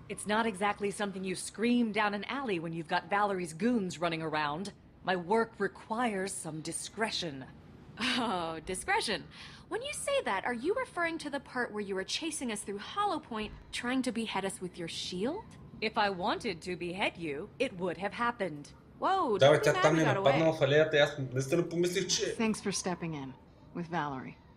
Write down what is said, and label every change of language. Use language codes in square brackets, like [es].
[en] It's not exactly something you scream down an alley when you've got Valerie's goons running around. My work requires some discretion. Oh, discretion. When you say that, are you referring to the part where you were chasing us through Hollow Point, trying to behead us with your shield? If I wanted to behead you, it would have happened. Whoa, [bg] давай, тя там не е нападнала в алеята, аз наистина помислих, че... [en] Thanks for stepping in with Valerie.